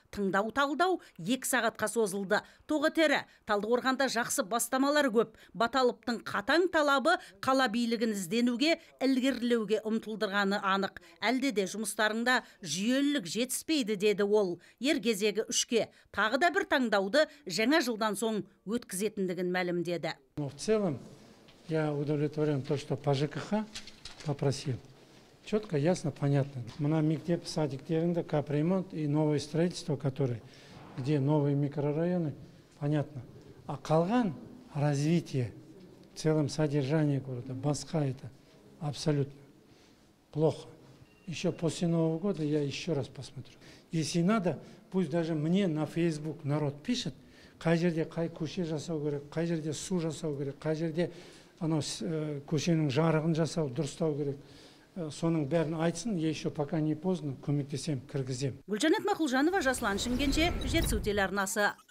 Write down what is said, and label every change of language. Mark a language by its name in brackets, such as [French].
[Kazakh] Тыңдау-талдау 2 сағатқа созылды. Тоғы тері, Талдықорғанда жақсы бастамалар көп. Баталыптың қатаң талабы қала билігін ізденуге, ілгерілеуге ұмтылдырғаны анық. Әлде де жұмыстарында жүйелілік жетіспейді, деді ол. Ер кезегі 3-ке. Тағы да бір таңдауды жаңа жылдан соң өткізетіндігін мәлімдеді. [Russian] В целом, я удовлетворен то, что по ЖКХ попросил. Четко, ясно, понятно. [Kazakh] Мына мектеп садиктерінде [Russian] капремонт и новое строительство, которое, где новые микрорайоны, понятно. [Kazakh] А қалған [Russian] развитие, в целом содержание города, басқа это абсолютно плохо. Еще после Нового года я еще раз посмотрю. Если надо, пусть даже мне на Facebook народ пишет, [Kazakh] қай жерде қай көше жасау керек, қай жерде су жасау керек, қай жерде анау көшенің жарығын жасау, дұрыстау керек. Соның бәрін айтсын, [Russian] еще пока не поздно, [Kazakh] көмектесем, кіргізем. Гүлжанат Мақұлжанова, Жаслан Шымкенше, Жетісу телеарнасы.